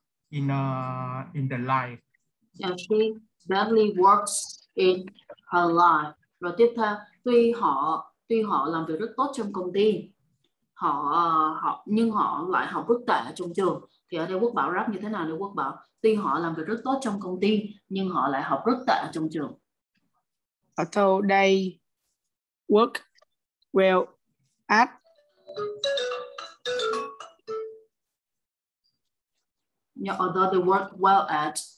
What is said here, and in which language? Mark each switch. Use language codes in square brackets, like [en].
[en] She badly works in the life. Yeah, she badly works in her life. [vi] Rồi tiếp theo, tuy họ làm việc rất tốt trong công ty, họ lại học rất tệ trong trường. Thì ở đây Quốc Bảo rap như thế nào nếu Quốc Bảo? Tuy họ làm việc rất tốt trong công ty, nhưng họ lại học rất tệ trong trường. [en] Although they work well at... Yeah, although they work well at...